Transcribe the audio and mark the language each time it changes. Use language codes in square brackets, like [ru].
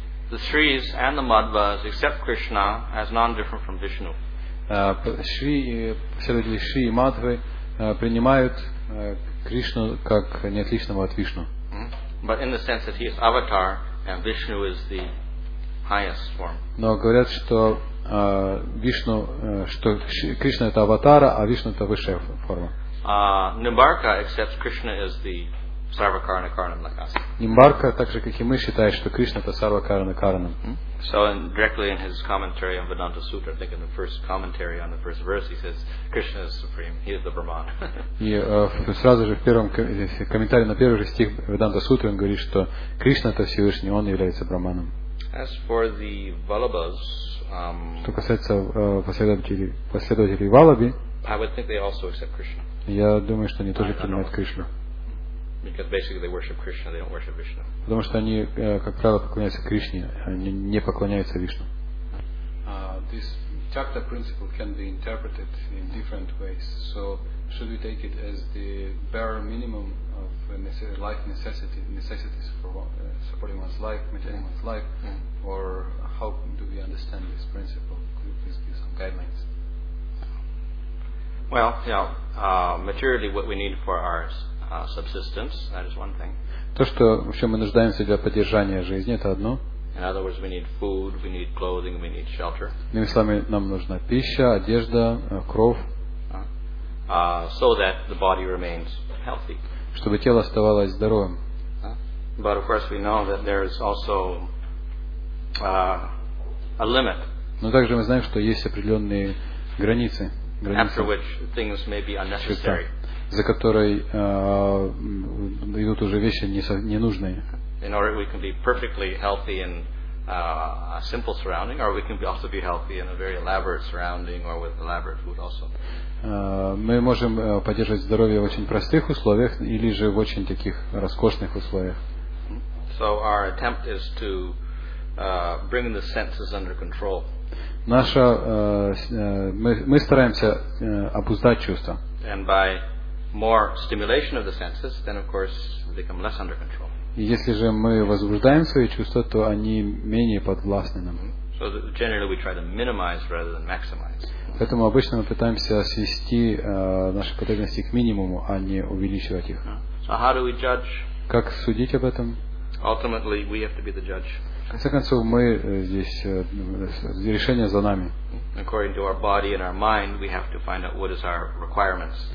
[en] The Sris and the Madhvas accept Krishna as non-different from Vishnu. [ru] Шри, все люди Шри и Мадхвы принимают Кришну как неотличного от Вишну. [en] But in the sense that he is avatar and Vishnu is the highest form. [ru] Но говорят, что Вишну, что Кришна это аватара, а Вишну это высшая форма. [en] Nimbarka accepts Krishna as the sarvakarana karanam like us. [ru] Nimbarka также как и мы считает, что Кришна это сарвакарана каранам. [en] So in, directly in his commentary on Vedanta Sutra, I think in the first commentary on the first verse, he says Krishna is supreme. He is the Brahman. [ru] И сразу же в первом комментарии на первый же стих Веданта Сутры он говорит, что Кришна это Всевышний, он является Брахманом. [en] As for the Vallabhas, [ru] что касается последователей Валлаби, [en] I would think they also accept Krishna. [ru] Я думаю, что они тоже принимают Кришну. [en] Because basically they worship Krishna, they don't worship Vishnu. [ru] Потому что они, как правило, поклоняются Кришне, они не поклоняются Вишну. [en] This chakta principle can be interpreted in different ways. So should we take it as the bare minimum of life necessities for supporting one's life, maintaining one's life, or how do we understand this principle? Could you please give some guidelines? Well, you know, materially what we need for our subsistence, that is one thing. [ru] То, что в чём мы нуждаемся для поддержания жизни, это одно. [en] In other words, we need food, we need clothing, we need shelter. [ru] Иными словами, нам нужна пища, одежда, кровь. [en] So that the body remains healthy. [ru] Чтобы тело оставалось здоровым. [en] But of course we know that there is also a limit. [ru] Но также мы знаем, что есть определённые границы. [en] After which things may be unnecessary. [ru] За которой идут уже вещи ненужные. [en] In order we can be perfectly healthy in a simple surrounding, or we can also be healthy in a very elaborate surrounding, or with elaborate food also. [ru] Мы можем поддерживать здоровье в очень простых условиях, или же в очень таких роскошных условиях. [en] So our attempt is to bring the senses under control. [ru] Наша, мы стараемся обуздать чувства. [en] And by more stimulation of the senses, then of course they become less under control. [ru] И если же мы возбуждаем свои чувства, то они менее подвластны нам. [en] So generally we try to minimize rather than maximize. [ru] Поэтому обычно мы пытаемся свести наши потребности к минимуму, а не увеличивать их. [en] So how do we judge? [ru] Как судить об этом? [en] Ultimately we have to be the judge. [ru] В конце концов, мы здесь, решение за нами. [en] According to our body and our mind, we have to find out what is our requirements.